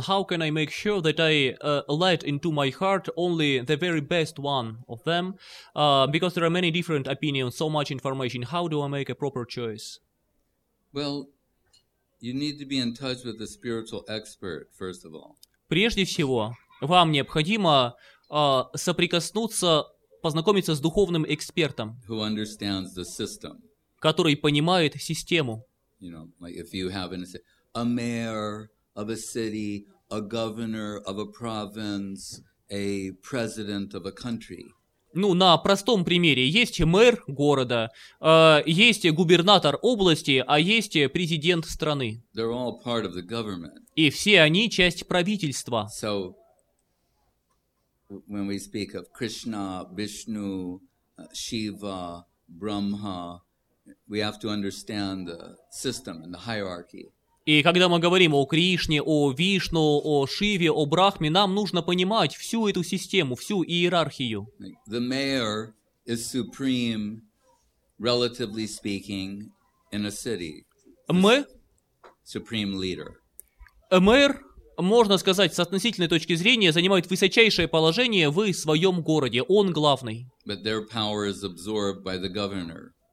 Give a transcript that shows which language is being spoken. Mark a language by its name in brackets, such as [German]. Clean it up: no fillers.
[English] How can I make sure that I let into my heart only the very best one of them? Because there are many different opinions, so much information. How do I make a proper choice? Well, you need to be in touch with the spiritual expert, first of all. [Russian] Прежде всего, вам необходимо соприкоснуться, познакомиться с духовным экспертом, [English] who understands the system. [Russian] Который понимает систему. [English] You know, like if you have a mayor of a city, a governor of a province, a president of a country. [Russian] Ну, на простом примере, есть мэр города, есть губернатор области, а есть президент страны. [English] They're all part of the government. [Russian] И все они часть правительства. [English] So, when we speak of Krishna, Vishnu, Shiva, Brahma, we have to understand the system and the hierarchy. [Russian] И когда мы говорим о Кришне, о Вишну, о Шиве, о Брахме, нам нужно понимать всю эту систему, всю иерархию. [English] The mayor is supreme, relatively speaking, in a city. Supreme leader. [Russian] Мэр, можно сказать, с относительной точки зрения, занимает высочайшее положение в своем городе. Он главный. [English] But their power is absorbed by the governor.